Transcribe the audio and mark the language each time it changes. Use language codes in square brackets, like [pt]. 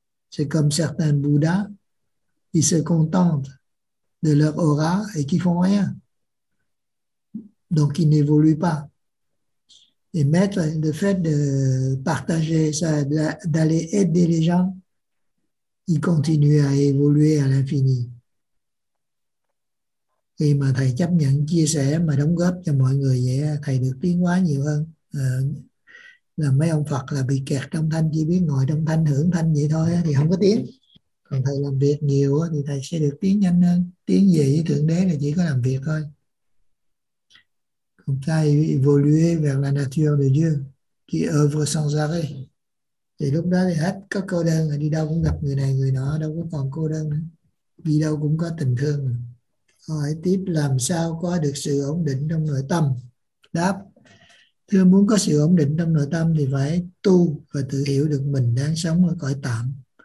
[fr] C'est comme certains Bouddhas qui se contentent de leur aura et qui font rien. Donc, ils n'évoluent pas. Et mettre le fait de partager ça, d'aller aider les gens, ils continuent à évoluer à l'infini. [vi] Khi mà thầy chấp nhận chia sẻ mà đóng góp cho mọi người vậy, thầy được tiến hóa nhiều hơn. Là mấy ông Phật là bị kẹt trong thanh, chỉ biết ngồi trong thanh, hưởng thanh vậy thôi thì không có tiến. Còn thầy làm việc nhiều thì thầy sẽ được tiến nhanh hơn. Tiến về với Thượng Đế là chỉ có làm việc thôi. [fr] Comme ça, évoluer vers la nature de Dieu qui œuvre sans arrêt. [vi] Thì lúc đó thì hết có cô đơn, đi đâu cũng gặp người này người nọ, đâu có còn cô đơn nữa. Đi đâu cũng có tình thương. Hỏi tiếp làm sao có được sự ổn định trong nội tâm. Đáp, thưa muốn có sự ổn định trong nội tâm thì phải tu và tự hiểu được mình đang sống ở cõi tạm.